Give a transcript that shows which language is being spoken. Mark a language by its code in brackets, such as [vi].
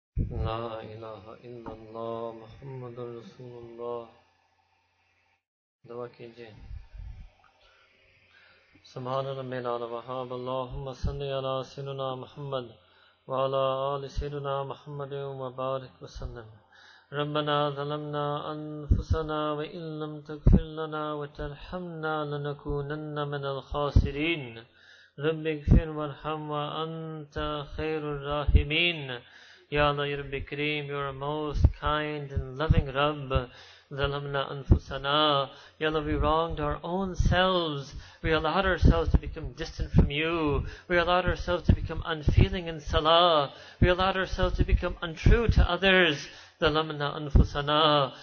[ar] لا الہ الا اللہ محمد رسول اللہ. [ur] دعا کیجئے. [ar] سبحان ربنا وبحمده, اللهم صل علی سيدنا محمد وعلى آل سيدنا محمد وبارك وسلم. ربنا ظلمنا انفسنا وان لم تغفر لنا وترحمنا لنكونن من الخاسرين. رب اغفر وارحم وانت خير الراحمين. [en] Ya Allah, Ya Rabbi Kareem, You are a most kind and loving Rabb. [ar] Zalamna anfusana. [en] Ya Allah, we wronged our own selves. We allowed ourselves to become distant from you. We allowed ourselves to become unfeeling in salah. We allowed ourselves to become untrue to others. [ar] Zalamna anfusana.